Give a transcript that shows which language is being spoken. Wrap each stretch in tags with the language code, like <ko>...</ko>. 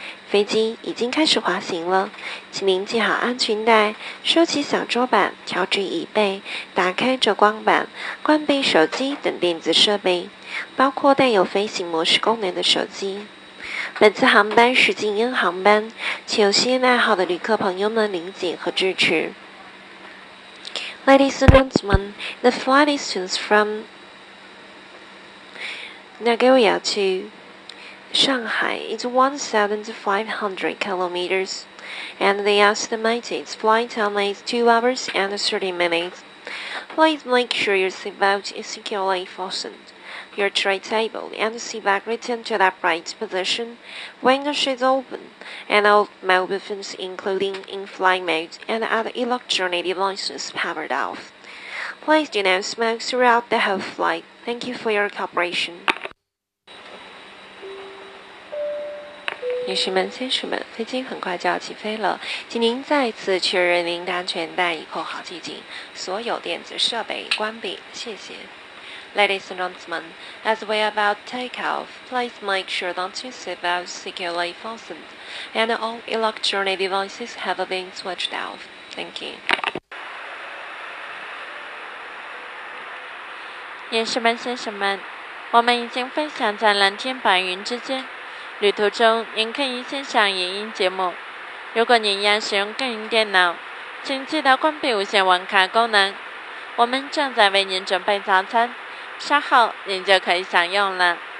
<zh>飞机已经开始滑行了，请您系好安全带，收起小桌板，调直椅背，打开遮光板，关闭手机等电子设备，包括带有飞行模式功能的手机。本次航班是静音航班，请有吸烟爱好的旅客朋友们理解和支持。</zh> <en>Ladies and gentlemen, the flight is from Nagoya to Shanghai. It's 1,500 kilometers, and the estimated flight time is 2 hours and 30 minutes. Please make sure your seatbelt is securely fastened, your tray table and seatbelt returned to the upright position, window shades open, and all mobile phones including in-flight mode and other electronic devices powered off. Please do not smoke throughout the whole flight. Thank you for your cooperation.</en> <zh>女士们、先生们，飞机很快就要起飞了，请您再次确认您的安全带已扣好系紧，所有电子设备关闭，谢谢。</zh> <en>Ladies and gentlemen, as we are about take off, please make sure that your seat belt securely fastened and all electronic devices have been switched off. Thank you.</en> <zh>女士们、先生们，我们已经飞翔在蓝天白云之间。旅途中您可以欣赏影音节目，如果您要使用个人电脑，请记得关闭无线网卡功能，我们正在为您准备早餐，稍后您就可以享用了。</zh>